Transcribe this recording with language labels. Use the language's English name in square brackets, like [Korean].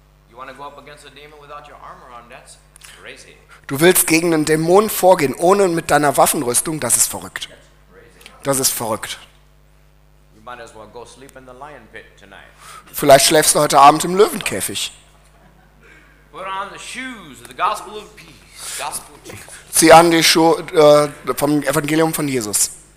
[English] You want to go up against a demon without your armor on? That's crazy. [German] Du willst gegen einen Dämon vorgehen, ohne mit deiner Waffenrüstung? Das ist verrückt. Das ist verrückt. [English] You might as well go sleep in the lion pit tonight. [German] Vielleicht schläfst du heute Abend im Löwenkäfig. [English] Put on the shoes of the gospel of peace. Gospel of peace. [German] Zieh an die Schuhe vom Evangelium von Jesus.